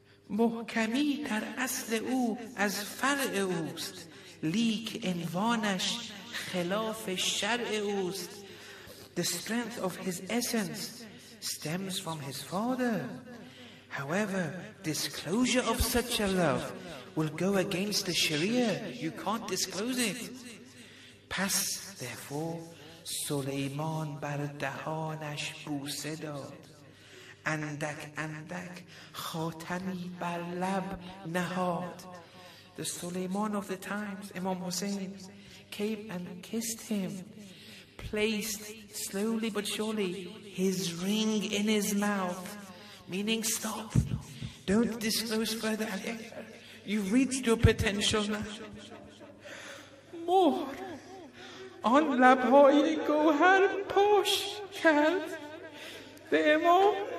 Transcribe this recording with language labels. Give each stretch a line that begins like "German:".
Persian: محکمی در اصل او از فرع اوست لیک انوانش خلاف شرع اوست.
English: The strength of his essence stems from his father. However, disclosure of such a love will go against the Sharia. You can't disclose it. Pass, therefore,
Persian: سلیمان بر دهانش بوسه داد اندک اندک خاتمی بر لب نهاد.
English: The Suleiman of the times, Imam Hussein, came and kissed him, placed slowly but surely his ring in his mouth, meaning stop, don't disclose further. You've reached your potential now.
Persian: مهر آن لبهای گوهر پوش کرد به امام.